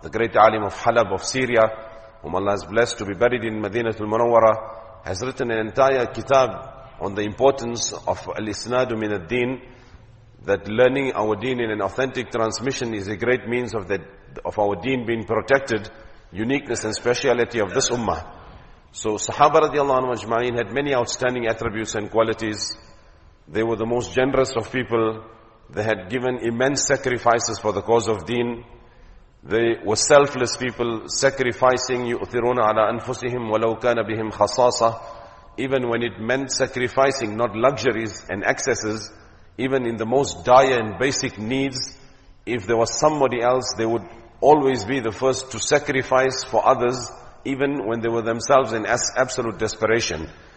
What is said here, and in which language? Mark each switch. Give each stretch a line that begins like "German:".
English: the great alim of Halab of Syria, whom Allah has blessed to be buried in Madinatul Munawwara, has written an entire kitab on the importance of al-isnadu min ad-din, that learning our deen in an authentic transmission is a great means of that, of our deen being protected, uniqueness and speciality of this ummah. So Sahaba radiallahu anhu ajma'in had many outstanding attributes and qualities. They were the most generous of people. They had given immense sacrifices for the cause of deen. They were selfless people, sacrificing,
Arabic: يُؤْثِرُونَ عَلَىٰ أَنفُسِهِمْ وَلَوْ كَانَ بِهِمْ خَصَاصَةً.
English: Even when it meant sacrificing, not luxuries and excesses, even in the most dire and basic needs, if there was somebody else, they would always be the first to sacrifice for others, even when they were themselves in absolute desperation.